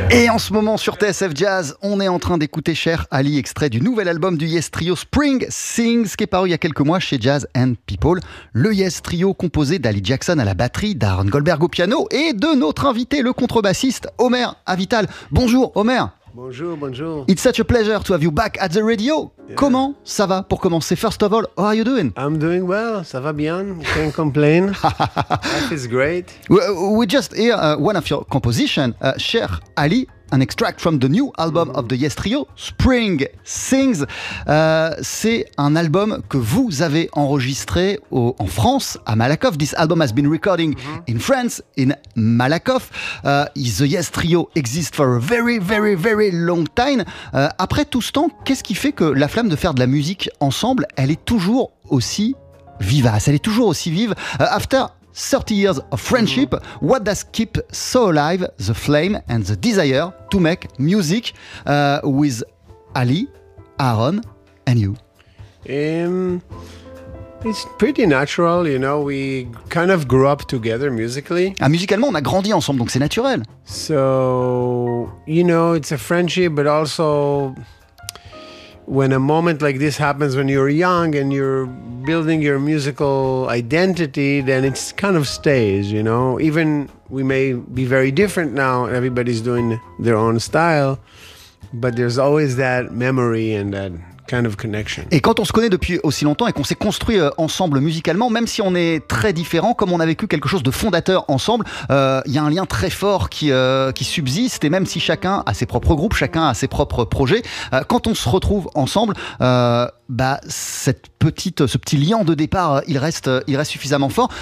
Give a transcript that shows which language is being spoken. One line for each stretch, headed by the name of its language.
French: en ce moment sur TSF Jazz, on est en train d'écouter Cher Ali, extrait du nouvel album du Yes Trio Spring Sings, qui est paru il y a quelques mois chez Jazz and People. Le Yes Trio composé d'Ali Jackson à la batterie, d'Aaron Goldberg au piano et de notre invité, le contrebassiste Omer Avital. Bonjour Omer. Bonjour, bonjour.
English: It's such a pleasure to have you back at the radio. Yeah.
French: Comment ça va pour commencer?
English: First of all, how are you doing? I'm doing well,
French: ça va bien,
English: can't complain. That is great. We just hear one of your compositions, Cher Ali, an extract from the new album of the Yes Trio, Spring Sings.
French: C'est un album que vous avez enregistré en France, à Malakoff.
English: This album has been recording in France, in Malakoff. The Yes Trio exists for a very, very, very long time.
French: Après tout ce temps, qu'est-ce qui fait que la flamme de faire de la musique ensemble, elle est toujours aussi vivace, elle est toujours aussi vive?
English: After 30 years of friendship, what does keep so alive the flame and the desire to make music with Ali, Aaron, and you? It's pretty natural, you know, we kind of grew up together musically.
French: Ah, musicalement, on a grandi ensemble, donc c'est naturel.
English: So, you know, it's a friendship, but also when a moment like this happens when you're young and you're building your musical identity, then it kind of stays, you know. Even we may be very different now, everybody's doing their own style, but there's always that memory and that kind of connection.
French: Et quand on se connaît depuis aussi longtemps et qu'on s'est construit ensemble musicalement, même si on est très différent, comme on a vécu quelque chose de fondateur ensemble, il y a un lien très fort qui subsiste. Et même si chacun a ses propres groupes, chacun a ses propres projets, quand on se retrouve ensemble, ce petit lien de départ, il reste suffisamment fort.